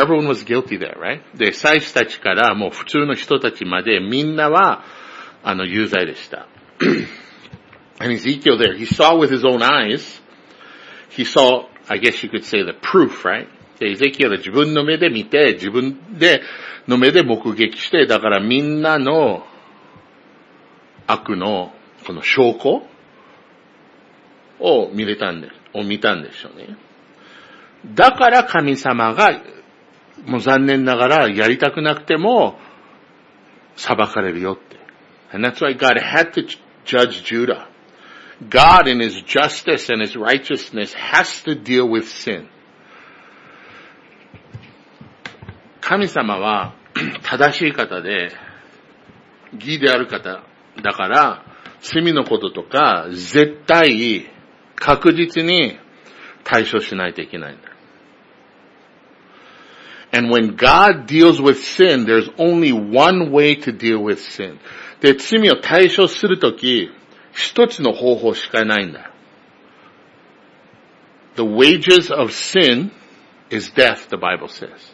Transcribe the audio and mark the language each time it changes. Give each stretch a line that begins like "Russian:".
English: Everyone was guilty there, right?
Japanese: で、祭司たちからもう普通の人たちまでみんなは有罪でした。
English: And Ezekiel there, he saw with his own eyes. He saw, I guess you could say, the proof, right?
Japanese: で、エゼキエルは自分の目で見て、自分での目で目撃して、だからみんなの悪のこの証拠を見れたんです、を見たんでしょうね。だから神様が、もう残念ながらやりたくなくても、裁かれるよって。
English: And that's why God had to judge Judah. God in His justice and His righteousness has to deal with sin.
Japanese: 神様は正しい方で、義である方だから、罪のこととか絶対確実に対処しないといけないんだ。
English: And when God deals with sin, there's only one way to deal with sin.
Japanese: で、罪を対処するとき、一つの方法しかないんだ。
English: The wages of sin is death, the Bible says.